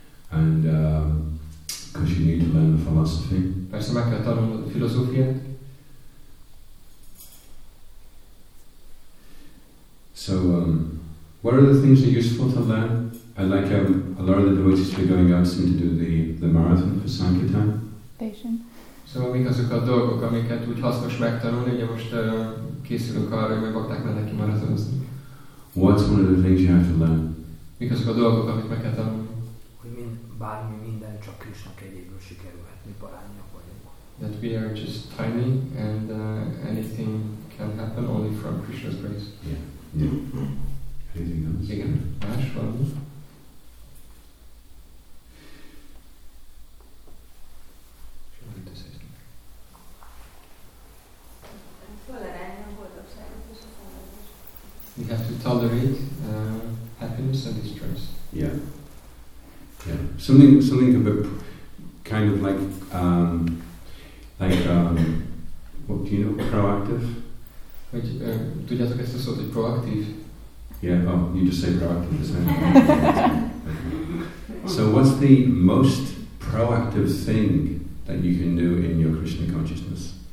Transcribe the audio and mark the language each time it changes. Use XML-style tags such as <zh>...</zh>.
<en>And because you need to learn the philosophy.</en> <hu>Persze meg kell tanulnod a filozófiát.</hu> <en>So, what are the things that are useful to learn? I like how a lot of the devotees who are going out seem to do the marathon for Sankirtan. Patience.</en> <hu>So, mik azok a dolgok, amiket úgy hasznos megtanulni, ugye most készülünk arra, hogy meg bakták mennek ki marathonozni.</hu> <en>What's one of the things you have to learn?</en> <hu>Mik azok a dolgok, amit meg kell tanulni? Bármi, minden, csak Krishna kegyéből sikerülhet, mi parányok vagyunk.</hu> <en>That we are just tiny and anything can happen only from Krishna's grace. Yeah. Yeah. Anything else?</en> <hu>Igen. Más valami?</hu> <en>We have to tolerate happiness and distress. Yeah. Yeah. Something of a kind of what do you know? Proactive.</en> <hu>Hogy tudjátok ezt a szót, hogy proactive?</hu> <en>Yeah. Oh, you just say proactive. Okay. So, what's the most proactive thing that you can do in your Krishna consciousness?</en>